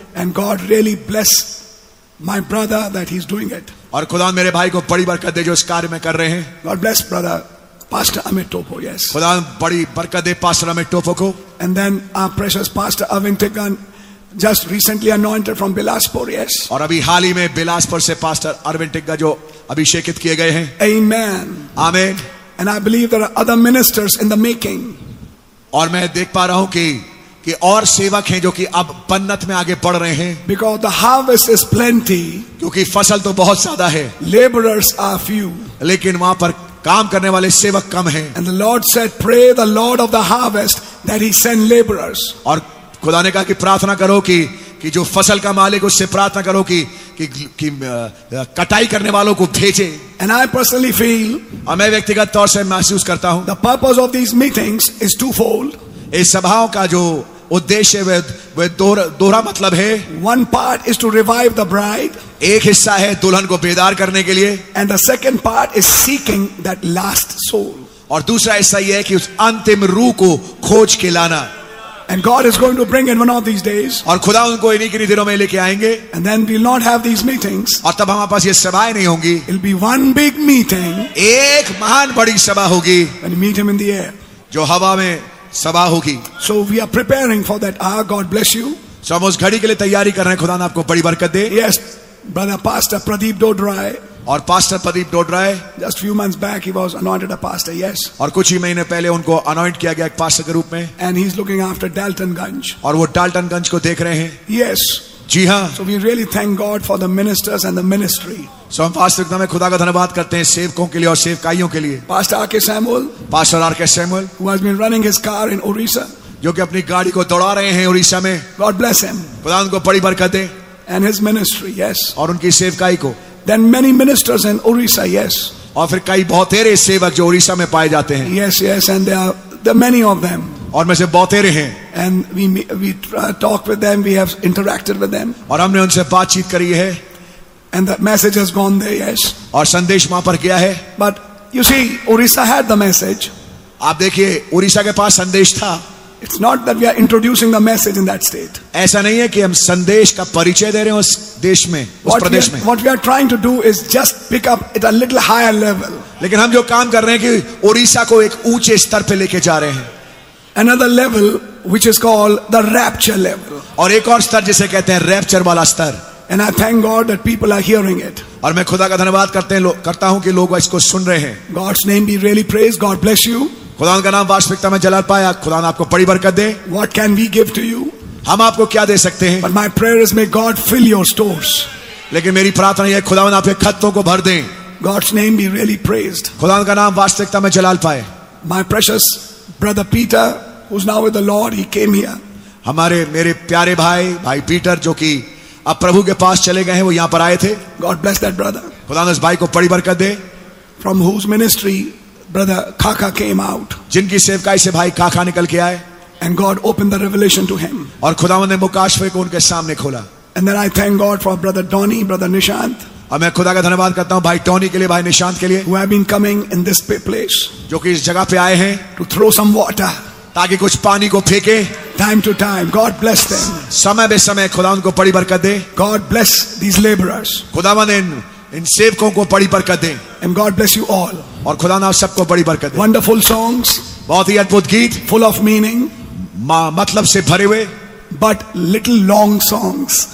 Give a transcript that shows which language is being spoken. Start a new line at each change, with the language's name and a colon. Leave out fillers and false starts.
English: And God really bless my brother that he's doing it.
Hindi: और खुदा मेरे भाई को बड़ी बरकत दे जो इस कार्य में कर रहे हैं.
English: God bless brother Pastor Amit Topo, yes.
Hindi: खुदा बड़ी बरकत दे पास्टर अमित टोपो को.
English: And then our precious Pastor Avintikan. Just recently anointed from Bilaspur, yes.
Hindi: और अभी हाल ही में बिलासपुर से पास्टर अरविंद टिग्गा जो अभिषेकित किए गए हैं.
English: Amen. Amen. And I believe there are other ministers in the making.
Hindi: और मैं देख पा रहा हूँ कि और सेवक हैं जो कि अब बन्नत में आगे बढ़ रहे हैं.
English: Because the harvest is plenty.
Hindi: क्योंकि फसल तो बहुत ज्यादा है.
English: Laborers are few.
Hindi: लेकिन वहाँ पर काम करने वाले सेवक कम हैं.
English: And the Lord said, pray the Lord of the harvest that he send laborers.
Hindi: और खुदा ने कहा कि प्रार्थना करो कि जो फसल का मालिक उससे प्रार्थना करो कि कटाई करने वालों को भेजे.
English: And I personally feel,
Hindi: और मैं व्यक्तिगत तौर से महसूस करता हूँ,
English: the purpose of these meetings is twofold.
Hindi: इस सभाओं का जो उद्देश्य है वह दोहरा मतलब है.
English: One part is to revive the bride.
Hindi: एक हिस्सा है दुल्हन को बेदार करने के लिए.
English: And the second part is seeking that last soul.
Hindi: और दूसरा हिस्सा यह है कि उस अंतिम रूह को खोज के लाना.
English: And God is going to bring in one of these days.
Hindi: और खुदा उनको इन्हीं किन्हीं दिनों में लेके आएंगे.
English: And then we'll not have these meetings.
Hindi: और तब हमारे पास ये सभाएं नहीं होंगी.
English: It'll be one big meeting.
Hindi: एक महान बड़ी सभा होगी.
English: And meet him in the air.
Hindi: जो हवा में सभा होगी.
English: So we are preparing for that. Ah, God bless you.
Hindi: So हम उस घड़ी के लिए तैयारी कर रहे हैं. खुदा ने आपको बड़ी बरकत दे.
English: Yes, brother Pastor Pradeep Dodrai.
Hindi: और pastor Pradeep Dodrai.
English: Just few months back, he was anointed a pastor. Yes.
Hindi: और कुछ ही महीने पहले उनको अनॉइंट किया गया एक पास्टर के रूप में.
English: And he's looking after Daltonganj.
Hindi: और वो डाल्टनगंज को देख रहे हैं.
English: Yes.
Hindi: जी हाँ.
English: So we really thank God for the ministers and the ministry.
Hindi: So हम पास्टर के नाम खुदा का धन्यवाद करते हैं सेवकों के लिए और सेवकाइयों के लिए.
English: Pastor R K Samuel, who has been running his car in Orissa.
Hindi: जो कि अपनी गाड़ी को दौड़ा रहे हैं उड़ीसा में.
English: God bless him.
Hindi: खुदा उनको बड़ी बरकत दे.
English: And his ministry, yes.
Hindi: और उनकी सेवकाई को.
English: Then many ministers in Orissa, yes.
Hindi: और फिर कई बहुतेरे सेवक जो उड़ीसा में पाए जाते हैं.
English: Yes, yes, and there are many of them.
Hindi: और में से बहुतेरे हैं.
English: And we talk with them, we have interacted with them.
Hindi: और हमने उनसे बातचीत करी है.
English: And the message has gone there, yes.
Hindi: और संदेश वहां पर गया है.
English: But you see, Orissa had the message.
Hindi: आप देखिए उड़ीसा के पास संदेश था.
English: It's not that we are introducing the message in that state.
Hindi: ऐसा नहीं है कि हम संदेश का परिचय दे रहे हैं उस देश में, उस प्रदेश में.
English: What we are trying to do is just pick up at a little higher level.
Hindi: लेकिन हम जो काम कर रहे हैं कि उड़ीसा को एक ऊंचे स्तर पे लेके जा रहे हैं.
English: Another level which is called the rapture level.
Hindi: और एक और स्तर जिसे कहते हैं रैप्चर वाला स्तर.
English: And I thank God that people are hearing it.
Hindi: और मैं खुदा का धन्यवाद करता हूं कि लोग इसको सुन रहे हैं.
English: God's name be really praised. God bless you.
Hindi: खुदा का नाम वास्तविकता में जला पाया. खुदा आपको बड़ी बरकत दे.
English: What can we give to you?
Hindi: हम आपको क्या दे सकते हैं?
English: But my prayer is may God fill your stores.
Hindi: लेकिन मेरी प्रार्थना है खुदा आपके खत्तों को भर दे.
English: God's name be really praised.
Hindi: खुदा का नाम वास्तविकता में जला पाए.
English: My precious brother Peter, who's now with the Lord, he came here.
Hindi: हमारे मेरे प्यारे भाई भाई पीटर जो कि अब प्रभु के पास चले गए हैं वो यहाँ पर आए थे.
English: God bless that brother.
Hindi: खुदा उस भाई को बड़ी बरकत दे.
English: From whose ministry brother Kaka came out.
Hindi: जिनकी सेवकाई से भाई काका निकल के आए.
English: And God opened the revelation to him.
Hindi: और खुदा ने मुकाशफे को उनके सामने खोला.
English: And then I thank God for brother Donny, brother Nishant.
Hindi: और मैं खुदा का धन्यवाद करता हूँ भाई टोनी के लिए, भाई निशांत के लिए,
English: who have been coming in this place,
Hindi: जो कि इस जगह पे आए हैं,
English: to throw some water,
Hindi: ताकि कुछ पानी को फेंके,
English: time to time, God bless them,
Hindi: समय बे समय खुदा उनको बड़ी बरकत दे,
English: God bless these laborers,
Hindi: खुदा माने इन सेवकों को बड़ी बरकत दे,
English: and God bless you all,
Hindi: और खुदा ना सबको बड़ी बरकत दे,
English: wonderful songs,
Hindi: बहुत ही अद्भुत गीत,
English: full of meaning,
Hindi: मतलब से भरे हुए.
English: But little long songs.